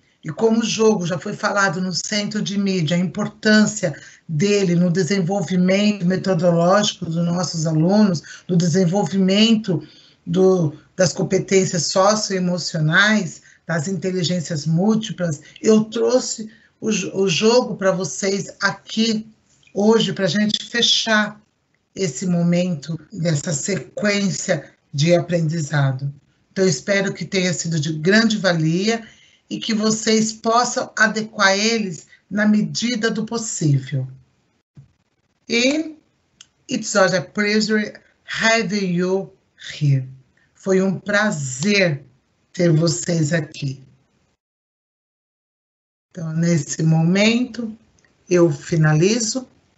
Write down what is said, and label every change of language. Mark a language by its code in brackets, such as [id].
[pt] E como o jogo já foi falado no centro de mídia, a importância dele no desenvolvimento metodológico dos nossos alunos, no desenvolvimento das competências socioemocionais, das inteligências múltiplas, eu trouxe o jogo para vocês aqui hoje, para a gente fechar esse momento dessa sequência de aprendizado. Então, eu espero que tenha sido de grande valia e que vocês possam adequar eles na medida do possível. E [en] it's such a pleasure having you here. [pt] Foi um prazer ter vocês aqui. Então, nesse momento, eu finalizo.